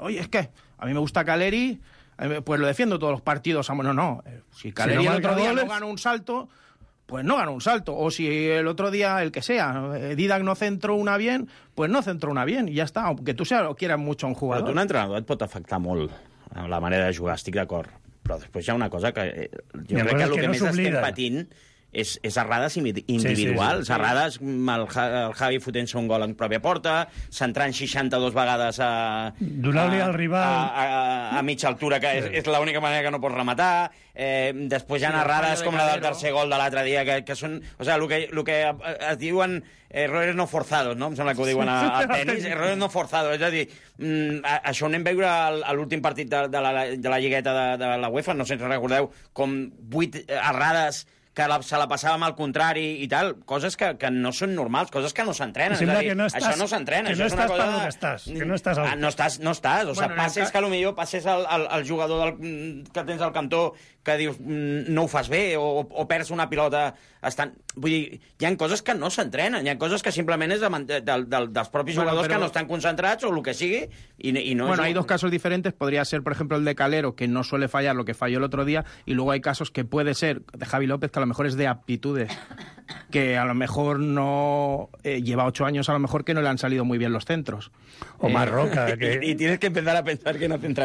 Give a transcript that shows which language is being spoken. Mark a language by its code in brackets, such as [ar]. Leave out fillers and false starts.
[es] Oye, es que a mí me gusta Caleri, pues lo defiendo todos los partidos. No. Si Caleri el otro día no gana un salto, pues no gana un salto. O si el otro día, el que sea, Didac no centró una bien, pues no centró una bien y ya está. Aunque tú seas o quieras mucho un jugador. [ca] Pero tu entrenador et pot afectar molt en la manera de jugar, estic d'acord. Però després hi ha una cosa que jo crec que el que més estem patint és errades individuals. Sí. Errades amb el Javi fotent-se un gol en pròpia porta, centrant 62 vegades a... Donar-li al rival... A mitja altura, que és l'única manera que no pots rematar. Després hi ha errades com la del tercer gol de l'altre dia, que són... O sigui, el que es diuen... [es] Errores no forzados, no? [ca] Em sembla que ho diuen a tenis. [es] Errores no forzados. [ca] És a dir, això ho anem a veure a l'últim partit de la lligueta de la UEFA. No sé si recordeu com 8 errades... que se la passava amb el contrari i tal, coses que no són normals, coses que no s'entrenen. Sembla és a dir, no estàs, això no s'entrena. Que no estàs per on estàs. No estàs. O sigui, passes que potser passes al jugador que tens al cantó que dius no ho fas bé o perds una pilota. Vull dir, hi ha coses que no s'entrenen, hi ha coses que simplement és dels propis jugadors que no estan concentrats o el que sigui. [es] Bueno, hay dos casos diferentes. Podría ser, por ejemplo, el de Calero, que no suele fallar lo que falló el otro día, y luego hay casos que puede ser de Javi López, que a lo mejor es de aptitudes, que a lo mejor no... lleva 8 años, a lo mejor, que no le han salido muy bien los centros. O Marroca. Que... Y tienes que empezar a pensar que no centra